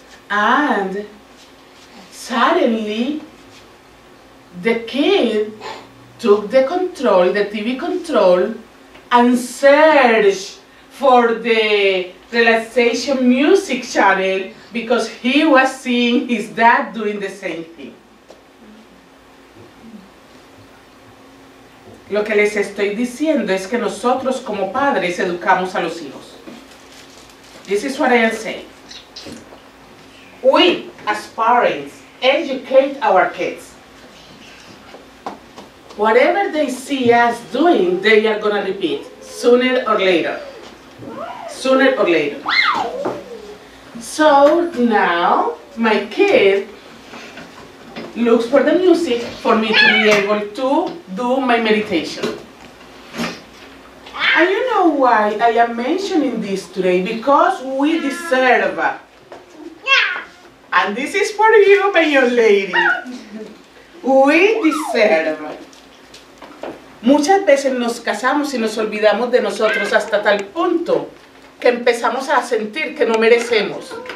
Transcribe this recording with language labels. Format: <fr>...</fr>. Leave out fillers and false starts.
<en>And suddenly, the kid took the control, the TV control, and searched for the relaxation music channel because he was seeing his dad doing the same thing.</en> <es>Lo que les estoy diciendo es que nosotros como padres educamos a los hijos.</es> <en>This is what I am saying. We, as parents, educate our kids. Whatever they see us doing, they are gonna repeat sooner or later. Sooner or later. So now my kid looks for the music for me to be able to do my meditation. And you know why I am mentioning this today? Because we deserve. And this is for you, my young lady. We deserve.</en> <es>Muchas veces nos casamos y nos olvidamos de nosotros hasta tal punto que empezamos a sentir que no merecemos.</es>